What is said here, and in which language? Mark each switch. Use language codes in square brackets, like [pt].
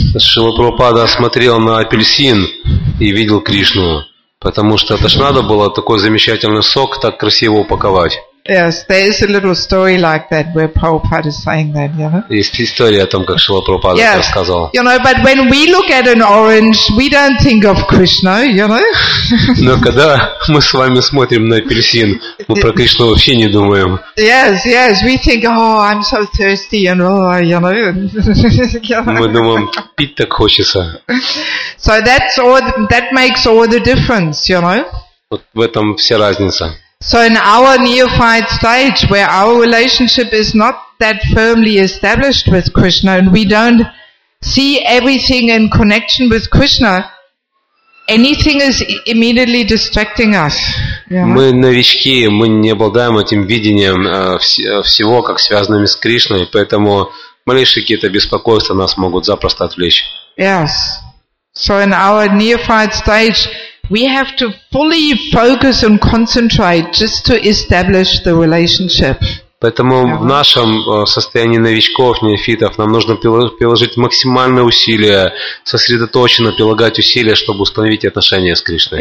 [ru] Шрила Прабхупада смотрел на апельсин и видел Кришну, потому что это ж надо было такой замечательный сок так красиво упаковать. [en] Yes, there is a little story like that where Prabhupada is saying that, you know? [ru] Есть история о том, как Шрила Прабхупада это рассказал. [en] You know, but when we look at an orange, we don't think of Krishna, you know? [ru] Но когда мы с вами смотрим на апельсин, мы про Кришну вообще не думаем. [en] Yes, yes, we think, oh, I'm so thirsty, and oh, you know? [ru] Мы думаем, пить так хочется. [en] So that's all, that makes all the difference, you know? [ru] Вот в этом вся разница. [en] So in our neophyte stage, where our relationship is not that firmly established with Krishna, and we don't see everything in connection with Krishna, anything is immediately distracting us. [ru] Мы новички, мы не обладаем этим видением всего, как связанными с Кришной, поэтому малейшие какие-то беспокойства нас могут запросто отвлечь. [en] Yes. So in our neophyte stage, we have to fully focus and concentrate just to establish the relationship. [ru] Поэтому в нашем состоянии новичков, неофитов, нам нужно приложить максимальные усилия, сосредоточенно прилагать усилия, чтобы установить отношения с Кришной.